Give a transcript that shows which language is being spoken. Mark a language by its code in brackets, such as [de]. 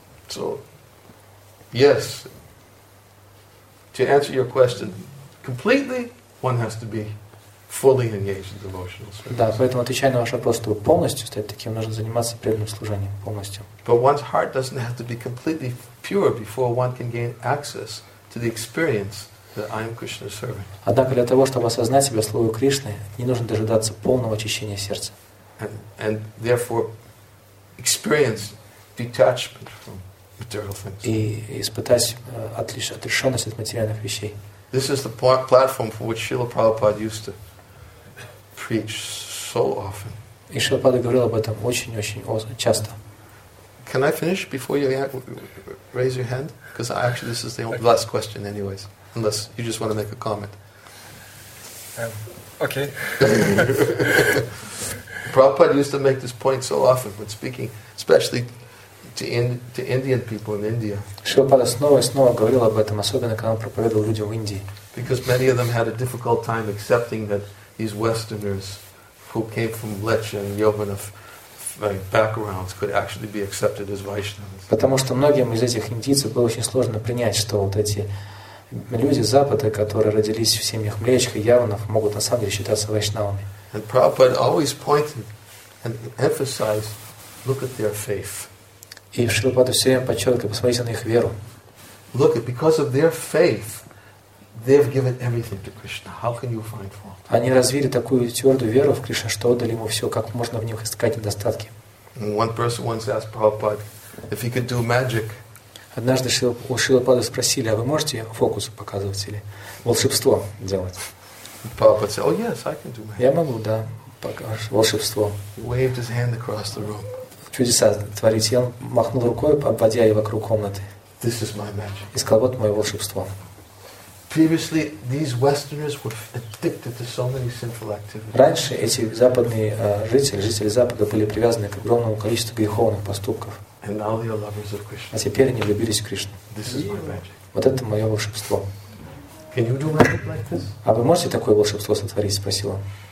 [en] So, yes, to answer your question, completely one has to be fully engaged in devotional service. [ru] Да, поэтому отвечая на ваш вопрос, чтобы полностью стать таким, нужно заниматься преданным служением полностью. [en] But one's heart doesn't have to be completely pure before one can gain access to the experience that I am Krishna's servant. [ru] Однако для того, чтобы осознать себя слугой Кришны, не нужно дожидаться полного очищения сердца. [en] And therefore experience detachment from material things. [ru] И испытать отрешенность от материальных вещей. [en] This is the platform for which Srila Prabhupada used to preach so often. [ru] И Шрила Прабхупада говорил об этом очень-очень часто. [en] Can I finish before you raise your hand? Because actually this is the last question anyways. Unless you just want to make a comment. Okay. Prabhupada used to make this point so often when speaking, especially to Indian people in India. [ru] Шрила Прабхупада снова и снова говорил об этом, особенно когда он проповедовал людям в Индии. [en] Because many of them had a difficult time accepting that these Westerners who came from Lecha and Yovana backgrounds could actually be accepted as Vaishnavas. [ru] Потому что многим из этих индийцев было очень сложно принять, что вот эти люди Запада, которые родились в семьях Млечха, Яванов, могут на самом деле считаться вайшнавами. [en] And Prabhupada always pointed and emphasized, look at their faith. [ru] И Шрила Прабхупада все время подчеркивал, посмотрите на их веру. [en] Look, because of their faith, they've given everything to Krishna. How can you find fault? [ru] Они развили такую твердую веру в Кришну, что отдали ему все. Как можно в них искать недостатки? [en] One person once asked Prabhupada if he could do magic. [ru] Однажды у Шрилы Прабхупады спросили, а вы можете фокусы показывать или волшебство делать? [en] Prabhupada said, oh yes, I can do magic. [ru] Я могу, да, покажу волшебство. [en] He waved his hand across the room. [ru] Чудеса творить. Я махнул рукой, обводя его вокруг комнаты. [en] This is my magic. [ru] И сказал, вот мое волшебство. [en] Previously, these Westerners were addicted to so many sinful activities. [ru] Раньше эти западные жители Запада были привязаны к огромному количеству греховных поступков. [en] And now they are lovers of Krishna. [ru] А теперь они влюбились в Кришну. [en] This is my magic. [ru] Вот это мое волшебство. [en] Can you do magic like this? [ru] А вы можете такое волшебство сотворить? Спросил он.